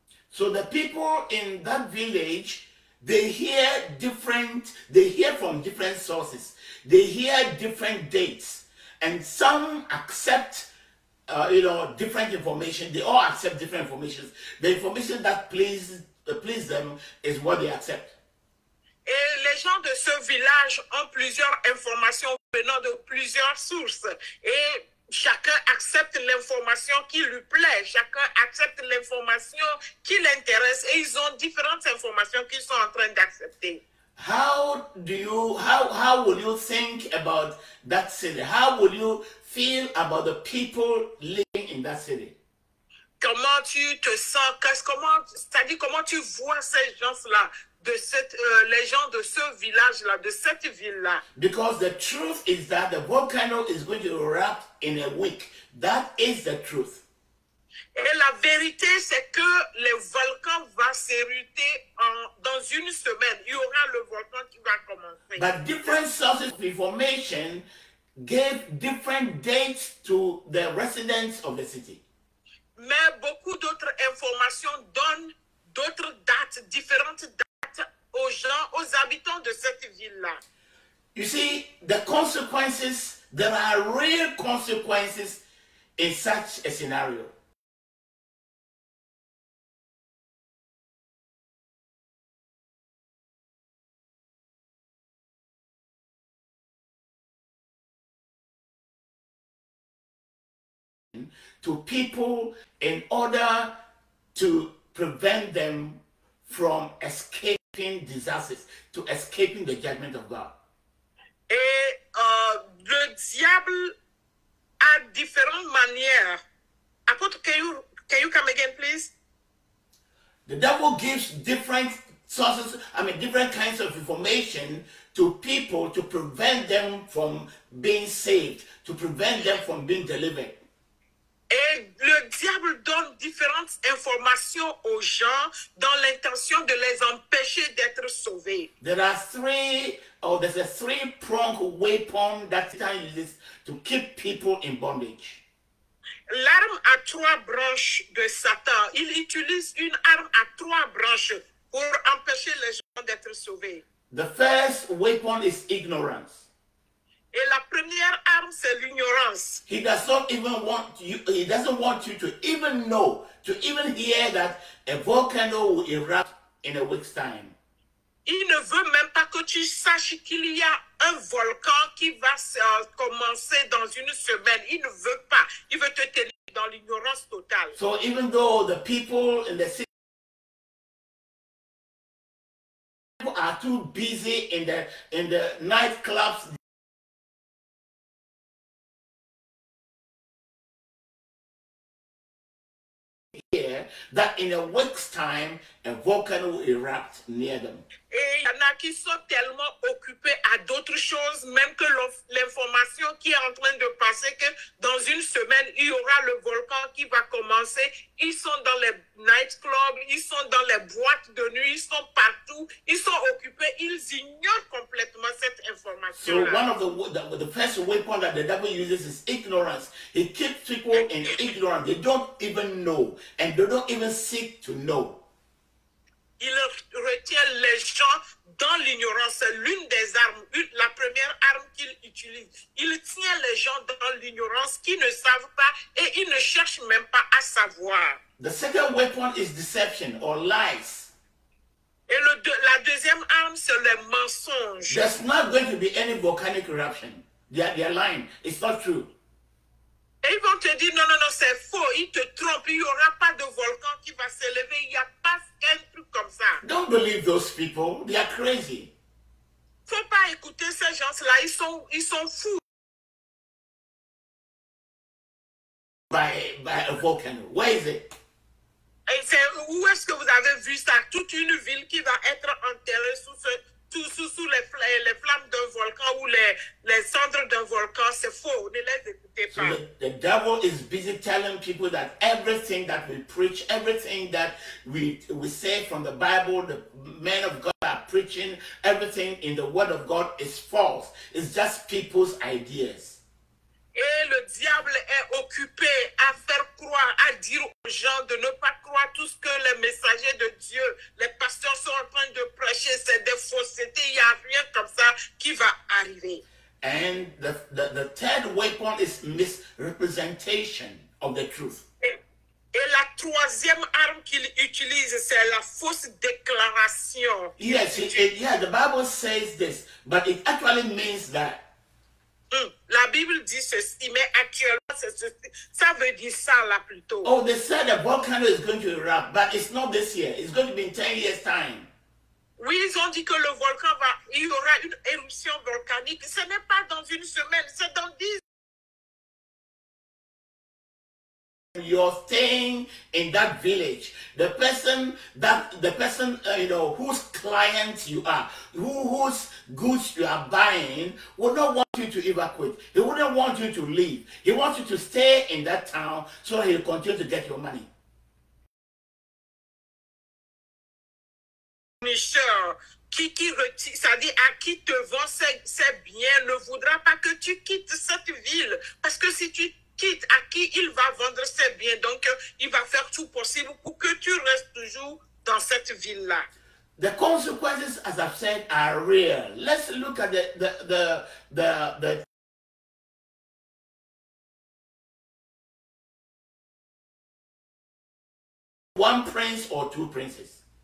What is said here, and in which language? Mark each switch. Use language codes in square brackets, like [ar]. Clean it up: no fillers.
[en] So the people in that village, they hear different, they hear from different sources. They hear different dates, and some accept, different information. They all accept different information. The information that please them is what they accept. [fr] Et les gens de ce village ont plusieurs informations venant de plusieurs sources, et chacun accepte l'information qui lui plaît. Chacun accepte l'information qui l'intéresse, et ils ont différentes informations qu'ils sont en train d'accepter. [en] How will you think about that city? How will you feel about the people living in that city? [fr] Comment tu te sens? Comment tu vois ces gens-là, de cette les gens de ce village-là, de cette ville-là? [en] Because the truth is that the volcano is going to erupt in a week. That is the truth. [fr] Et la vérité, c'est que le volcan va s'éruter dans une semaine. Il y aura le volcan qui va commencer. [en] But different sources of information gave different dates to the residents of the city. [fr] Mais beaucoup d'autres informations donnent d'autres dates, différentes dates aux gens, aux habitants de cette ville-là. [en] You see, the consequences, there are real consequences in such a scenario. To people in order to prevent them from escaping disasters, to escaping the judgment of God. [fr] Et le diable a différentes manières. [en] Apôtre, can you come again, please? The devil gives different sources, different kinds of information to people to prevent them from being saved, to prevent them from being delivered. [fr] Et le diable donne différentes informations aux gens dans l'intention de les empêcher d'être sauvés. [en] There are there's a three-pronged weapon that Satan uses to keep people in bondage. [fr] L'arme à trois branches de Satan. Il utilise une arme à trois branches pour empêcher les gens d'être sauvés. [en] The first weapon is ignorance. [fr] Et la première arme, c'est l'ignorance. [en] He does not even want you, he doesn't want you to even know, to even hear that a volcano will erupt in a week's time. [fr] Il ne veut même pas que tu saches qu'il y a un volcan qui va commencer dans une semaine. Il ne veut pas. Il veut te tenir dans l'ignorance totale. [en] So even though the people in the city are too busy in the nightclubs, that in a week's time, a volcano will erupt near them. [fr] Et il y en a qui sont tellement occupés à d'autres choses, même que l'information qui est en train de passer, que dans une semaine, il y aura le volcan qui va commencer. Ils sont dans les nightclubs, ils sont dans les boîtes de nuit, ils sont partout, ils sont occupés, ils ignorent complètement cette information. [en] So one of the first weapon that the devil uses is ignorance. He keeps people in ignorance. They don't even know, and they don't even seek to know. [fr] Il retient les gens dans l'ignorance. C'est l'une des armes, la première arme qu'il utilise. Il tient les gens dans l'ignorance, qui ne savent pas et ils ne cherchent même pas à savoir. [en] The second weapon is deception or lies. [fr] Et la deuxième arme, c'est les mensonges. [en] There's not going to be any volcanic eruption. They're lying. It's not true. [fr] Et ils vont te dire, non, non, non, c'est faux, ils te trompent, il n'y aura pas de volcan qui va s'élever, il n'y a pas un truc comme ça. [en] Don't believe those people, they are crazy. [fr] Faut pas écouter ces gens-là, ils sont fous. [en] By a volcano, where is it? [fr] Et où est-ce que vous avez vu ça? Toute une ville qui va être enterrée sous sous les flammes d'un volcan ou les cendres d'un volcan. C'est faux, ne les écoutez pas. [en] So the devil is busy telling people that everything that we preach, everything that we say from the Bible, the men of God are preaching, everything in the word of God is false. It's just people's ideas. [fr] Et le diable est occupé à faire croire, à dire aux gens de ne pas croire tout ce que les messagers de Dieu, les pasteurs sont en train de prêcher, c'est des faussetés, il n'y a rien comme ça qui va arriver. [en] And the third weapon is misrepresentation of the truth. [fr] Et la troisième arme qu'il utilise, c'est la fausse déclaration. [en] Yes, the Bible says this, but it actually means that. [fr] La Bible dit ceci, mais actuellement, ça veut dire ça là plutôt. [en] Oh, they said the volcano is going to erupt, but it's not this year. It's going to be in 10 years' time. [fr] Oui, ils ont dit que le volcan va, il y aura une éruption volcanique. Ce n'est pas dans une semaine, c'est dans 10 ans. [en] You're staying in that village. The person, you know, whose client you are, whose goods you are buying, will not want you to evacuate. He wouldn't want you to leave. He wants you to stay in that town so he'll continue to get your money. [fr] Monsieur, qui retire, ça dit à qui te vend ses biens, ne voudra pas que tu quittes cette ville, parce que si tu quitte à qui il va vendre ses biens. Donc, il va faire tout possible pour que tu restes toujours dans cette ville-là. [en] The consequences, as I've said, are real. Let's look at the one prince or two princes.